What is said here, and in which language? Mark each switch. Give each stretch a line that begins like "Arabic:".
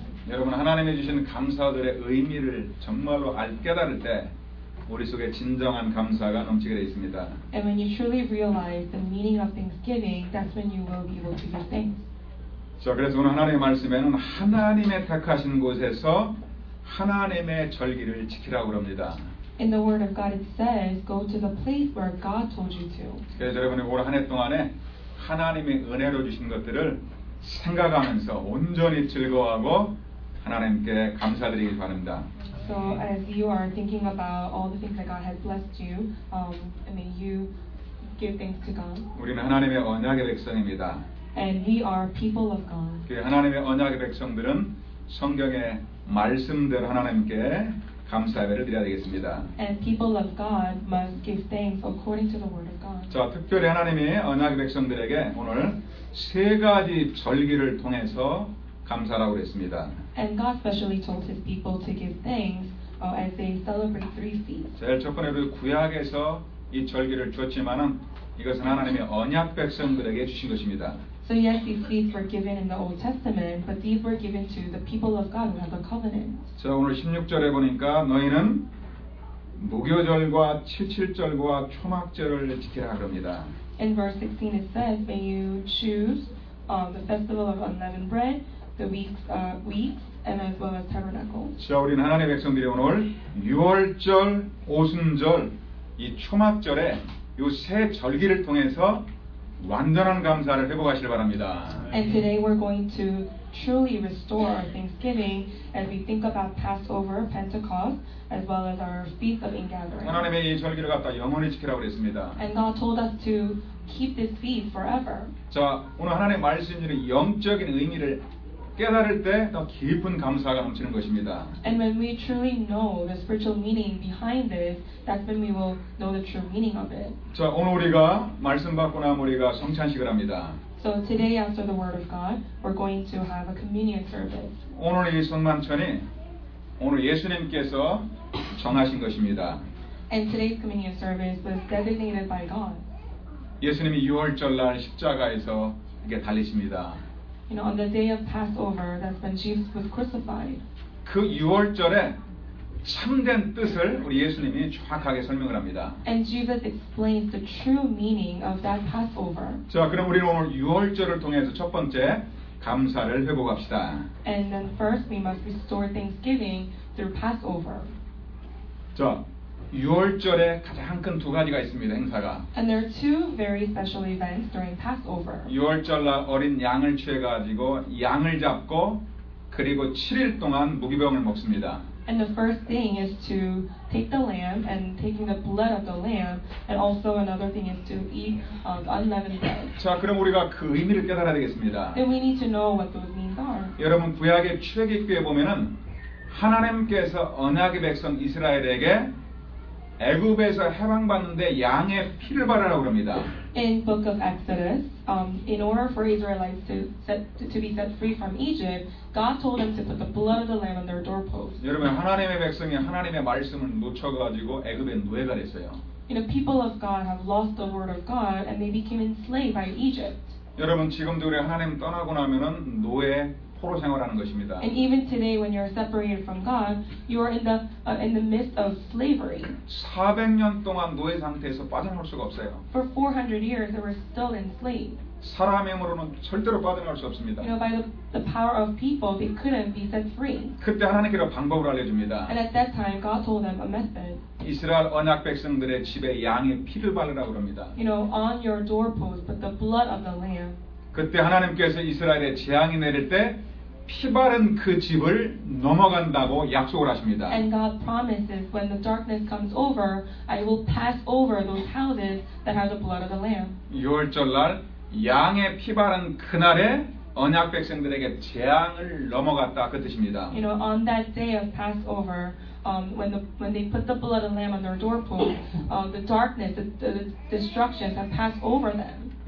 Korean: 여러분 하나님이 주신 감사들의 의미를 정말로 알 깨달을 때 우리 속에 진정한 감사가 넘치게 되어 있습니다.
English: And when you truly realize the meaning of thanksgiving, that's when you will be able to give thanks.
Korean: 자, 그래서 오늘 하나님의 말씀에는 하나님의 택하신 곳에서 하나님의 절기를 지키라고 합니다.
English: In the word of God, it says, go to the place where God told you to.
Korean: 그래서 여러분이 올 한 해 동안에 하나님의 은혜로 주신 것들을 생각하면서 온전히 즐거워하고 하나님께 감사드리길 바랍니다.
English: So as you are thinking about all the things that God has blessed you, may you give thanks to God.
Korean: 우리는 하나님의 언약의 백성입니다.
English: And we are people of God.
Korean: 하나님의 언약의 백성들은 성경의 말씀대로 하나님께 감사를 드려야 되겠습니다.
English: And people of God must give thanks according to the word of God.
Korean: 자, 특별히 하나님의 언약의 백성들에게 오늘 세 가지 절기를 통해서 감사라고 그랬습니다.
English: And God specially told His people to give thanks as they celebrate three feasts.
Korean: 제일 첫 번째로 구약에서 이 절기를 주었지만은 이것은 하나님의 언약 백성들에게 주신 것입니다.
English: So yes, these feasts were given in the Old Testament, but these were given to the people of God who had the covenant.
Korean: 자, 오늘 16절에 보니까 너희는 무교절과 칠칠절과 초막절을 지키라 그럽니다.
English: In verse 16 it says, may you choose the festival of unleavened bread. The weeks, and as well as tabernacles.
Korean: 자, 우리는 하나님의 백성들이 오늘 유월절, 오순절, 이 초막절에 이 세 절기를 통해서 완전한 감사를 회복하시길 바랍니다.
English: And today we're going to truly restore our Thanksgiving as we think about Passover, Pentecost, as well as our Feast of Ingathering.
Korean: 하나님의 이 절기를 갖다 영원히 지키라고 했습니다.
English: And God told us to keep this feast forever.
Korean: 자, 오늘 하나님의 말씀 중에 영적인 의미를 깨달을 때 더 깊은 감사가 넘치는 것입니다.
English: And when we truly know the spiritual meaning behind this, that's when we will know the true meaning of it.
Korean: 자, 오늘 우리가 말씀 받고 나면 우리가 성찬식을 합니다.
English: So today after the word of God, we're going to have a communion service.
Korean: 오늘 이 성만찬이 오늘 예수님께서 정하신 것입니다.
English: And today's communion service was designated by God.
Korean: 예수님이 유월절날 십자가에서 이렇게 달리십니다.
English: You know, on the day of Passover, that's when Jesus was crucified.
Korean: 그 유월절에 참된 뜻을 우리 예수님이 정확하게 설명을 합니다.
English: And Jesus explains the true meaning of that Passover.
Korean: 자, 그럼 우리는 오늘 유월절을 통해서 첫 번째 감사를 회복합시다.
English: And then first, we must restore thanksgiving through Passover.
Korean: 자, 유월절에 가장 큰 두 가지가 있습니다. 행사가.
English: And there are two very special events during Passover.
Korean: 유월절날 어린 양을 취해 가지고 양을 잡고 그리고 7일 동안 무기병을 먹습니다.
English: And the first thing is to take the lamb and taking the blood of the lamb and also another thing is to eat unleavened bread.
Korean: 자, 그럼 우리가 그 의미를 깨달아야 되겠습니다.
English: Then we need to know what those means are.
Korean: 여러분 구약의 출애굽기에 보면은 하나님께서 언약의 백성 이스라엘에게 애굽에서 해방받는데 양의 피를 바라라고 합니다.
English: In Book of Exodus, in order for Israelites to be set free from Egypt, God told them to put the blood of the lamb on their doorposts.
Korean: 여러분 하나님의 백성이 하나님의 말씀을 놓쳐가지고 애굽의 노예가 됐어요.
English: You know, people of God have lost the word of God and they became enslaved by Egypt.
Korean: 여러분 지금도 우리 하나님 떠나고 나면은 노예 포로 생활하는 것입니다.
English: And even today when you're separated from God, you are in the midst of slavery.
Korean: 400년 동안 노예 상태에서 빠져나올 수가 없어요.
English: For 400 years they were still enslaved.
Korean: 사람의 힘으로는 절대로 빠져나올 수 없습니다.
English: You know, by the power of people they couldn't be set free.
Korean: 그때 하나님께서 방법을 알려 줍니다.
English: And at that time God told them a method.
Korean: 이스라엘 언약 백성들의 집에 양의 피를 바르라고 합니다.
English: You know, on your doorpost put the blood of the lamb.
Korean: 그때 하나님께서 이스라엘에 재앙이 내릴 때 피바른 그 집을 넘어간다고 약속을 하십니다.
English: And God promises when the darkness comes over, I will pass over those houses that have the blood of the lamb.
Korean: 유월절날 양의 피바른 그날에 언약 백성들에게 재앙을 넘어갔다 그 뜻입니다.
English: You know, on that day of Passover, when they put the blood of the lamb on their doorpost, the darkness, the destruction had passed over them.